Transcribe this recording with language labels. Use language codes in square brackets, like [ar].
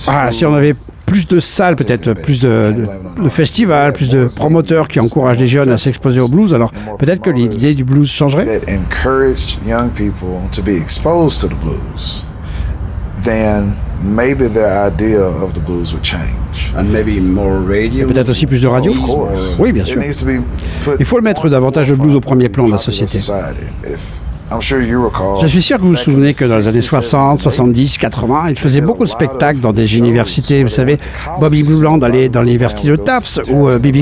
[fr] si on avait plus de salles, peut-être, plus de festivals, plus de promoteurs qui encouragent les jeunes à s'exposer au blues, alors peut-être que l'idée du blues changerait. [en] That encouraged young people to be exposed to the blues, then maybe their idea of the blues would change. And maybe more radio. [fr] Et peut-être aussi plus de radio. [en] Of course. [fr] Oui, bien sûr. Il faut le mettre davantage le blues au premier plan de la société. Je suis sûr que vous vous souvenez que dans les années 60, 70, 80, ils faisaient beaucoup de spectacles dans des universités. Vous savez, Bobby Bluland allait dans l'université de Tufts ou B.B.